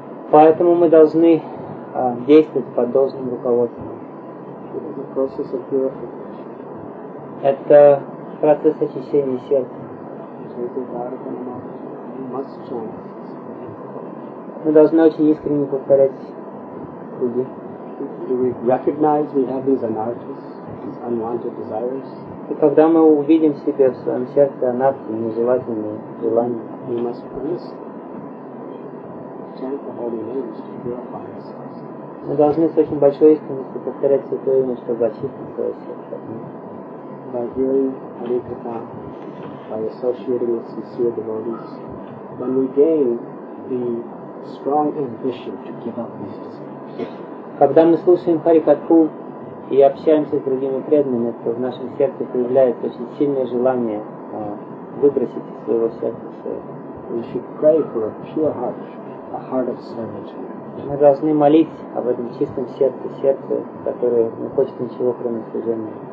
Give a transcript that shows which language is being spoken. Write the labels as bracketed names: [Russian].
[Russian] Поэтому мы должны действовать под должным руководством. Это процесс очищения сердца. Мы должны очень искренне повторять круги. [English] Do we recognize we have these anarthas, these unwanted desires? [Russian] И когда мы увидим в себе в своем сердце анархи, нежелательные желания, [English] we must first chant the holy names to purify ourselves. [Russian] Мы должны с очень большой искренностью повторять святое имя, чтобы очистить свое сердце. [English] By hearing Hare Katha, by associating with sincere devotees, when we gain the strong ambition to give up these desires. [Russian] Когда мы слушаем Харикатху и общаемся с другими преданными, то в нашем сердце появляется очень сильное желание выбросить из своего сердца все это. [English] We should pray for a pure heart, a heart of service. [Russian] Мы должны молить об этом чистом сердце, сердце, которое не хочет ничего, кроме служения.